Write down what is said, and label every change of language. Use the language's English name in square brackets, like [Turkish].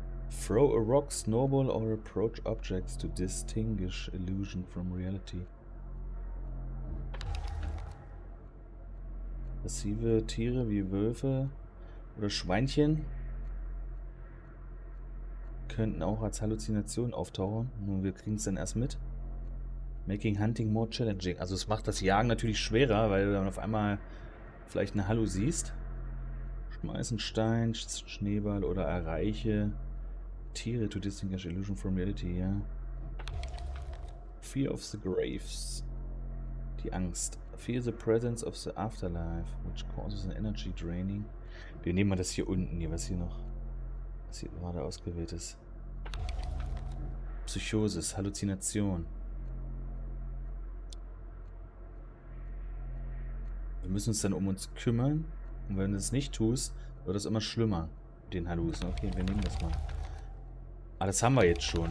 [English] Throw a rock, snowball or approach objects to distinguish illusion from reality. [German] Aggressive Tiere wie Wölfe oder Schweinchen könnten auch als Halluzination auftauchen. Nun, wir kriegen es dann erst mit. [English] Making hunting more challenging. [German] Also es macht das Jagen natürlich schwerer, weil du dann auf einmal vielleicht eine Hallo siehst. Schmeißen Stein, Schneeball oder erreiche Tiere [English] to distinguish illusion from reality, [German] ja. [English] Fear of the graves. [German] Die Angst. [English] Fear the presence of the afterlife, which causes an energy draining. [German] Wir nehmen mal das hier unten, hier, was hier noch. Was hier gerade ausgewählt ist. Psychosis, Halluzination. Wir müssen uns dann um uns kümmern. Und wenn du es nicht tust, wird es immer schlimmer. Den Hallus. Okay, wir nehmen das mal. Ah, das haben wir jetzt schon.